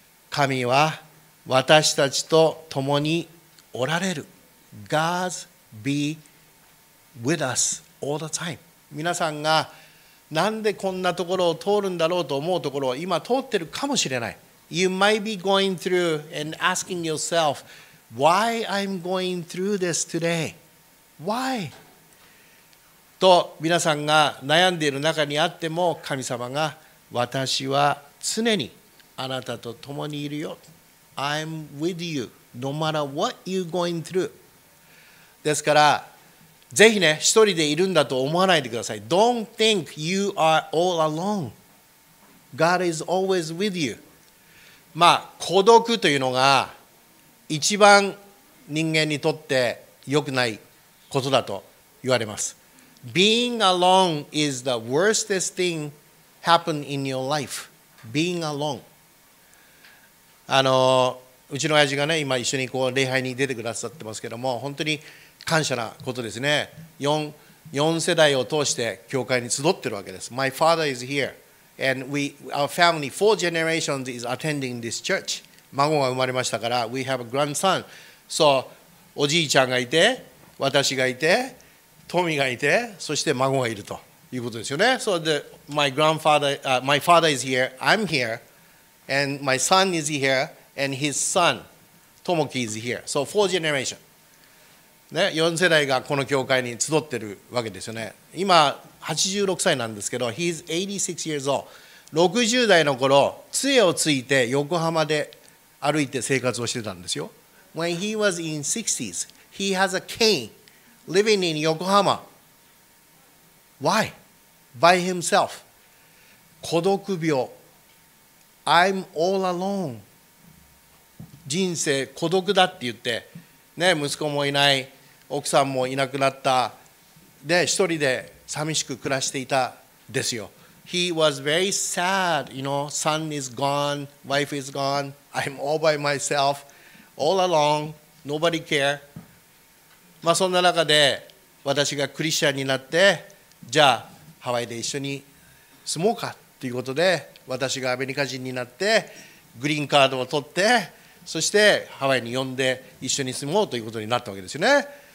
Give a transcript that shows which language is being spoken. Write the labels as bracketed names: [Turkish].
[Japanese] 神は私たちと共におられる。 [English] God be with us all the time. [Japanese] 皆さんがなんでこんなところを通るんだろうと思うところを今通ってるかもしれない。 [English] You might be going through and asking yourself, why I'm going through this today? Why? [Japanese] と皆さんが悩んでいる中にあっても、神様が、私は常にあなたと共にいるよ。 [English] I'm with you, no matter what you're going through. [Japanese] ですから、ぜひね、一人でいるんだと思わないでください。 [English] Don't think you are all alone. God is always with you. [Japanese] まあ孤独というのが一番人間にとって良くないことだと言われます。 [English] Being alone is the worstest thing happen in your life. Being alone. [Japanese] うちの親父がね、今一緒にこう礼拝に出てくださってますけども、本当に感謝なことですね。 4世代を通して教会に集ってるわけです。 [English] My father is here. And our family, four generations is attending this church. [Japanese] 孫が生まれましたから、 [English] we have a grandson. [Japanese] So, おじいちゃんがいて、私がいて、トミがいて、そして孫がいるということですよね。 [English] So, my father is here. I'm here. And my son is here. And his son, Tomoki, is here. So, four generation. [Japanese] ね、4世代がこの教会に集ってるわけですよね。今、86歳なんですけど、 [English] he's 86 years old. [Japanese] 60代の頃、杖をついて横浜で歩いて生活をしてたんですよ。 [English] When he was in 60s, he has a cane living in Yokohama. Why? By himself. [Japanese] 孤独病。 [English] I'm all alone. [Japanese] 人生孤独だって言って、ね、息子もいない、奥さんもいなくなった、で、一人で寂しく暮らしていたですよ。 [English] He was very sad, you know, son is gone, wife is gone, I'm all by myself, all alone, nobody care. [Japanese] まあそんな中で、私がクリスチャンになって、じゃあハワイで一緒に住もうかということで、私がアメリカ人になって、グリーンカードを取って、そしてハワイに呼んで一緒に住もうということになったわけですよね。